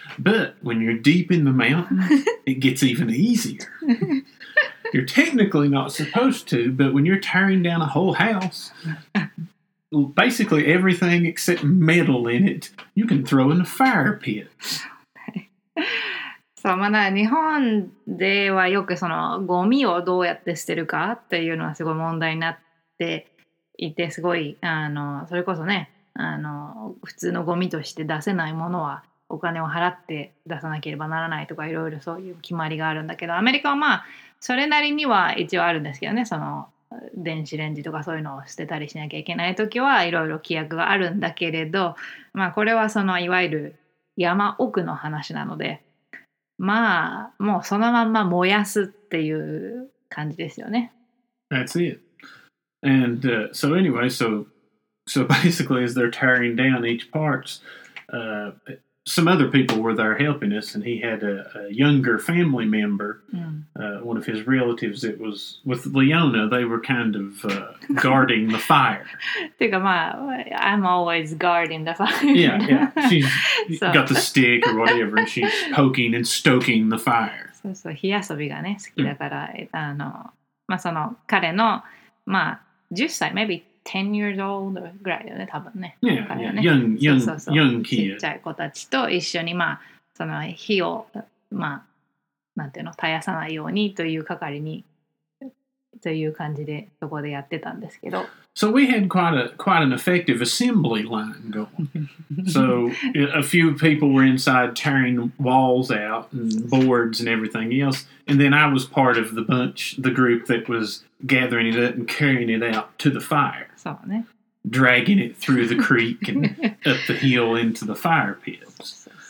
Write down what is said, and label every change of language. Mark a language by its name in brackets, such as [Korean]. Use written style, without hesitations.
[English] But when you're deep in the mountain, it gets even easier. You're technically not supposed to, but when you're tearing down a whole house, basically everything except metal in it, you can throw in a fire pit. [Japanese] そう、まだ日本ではよくそのゴミをどうやって捨てるかっていうのはすごい問題になっていて、すごいあのそれこそね、あの普通のゴミとして出せないものはお金を払って出さなければならないとか、いろいろそういう決まりがあるんだけど、アメリカはまあそれなりには一応あるんですけどね、その電子レンジとかそういうのを捨てたりしなきゃいけないときはいろいろ規約があるんだけれど、まあこれはそのいわゆる山奥の話なので、まあ、もうそのまま燃やすっていう感じですよね。 [English] That's it. And so anyway, so basically as they're tearing down each part, some other people were there helping us, and he had a younger family member, one of his relatives that was with Leona, they were kind of guarding the fire. I'm always guarding the fire. Yeah, yeah. She's got the stick or whatever, and she's poking and stoking the fire. So, [Japanese] 火遊びがね、好きだから、あの、まあ、その、彼の、まあ、10歳、 [English] maybe 10 years old [Japanese] ぐらいだよね、多分ね。 [English] Young kid. [Japanese] ちっちゃい子たちと一緒に、まあ、その火を、まあ、なんていうの、絶やさないようにという係に、という感じで、そこでやってたんですけど。 [English] So we had quite an effective assembly line going. So a few people were inside tearing walls out and boards and everything else. And then I was part of the group that was gathering it up and carrying it out to the fire. [Japanese] そうね。 [English] Dragging it through the creek and up the hill into the fire pits.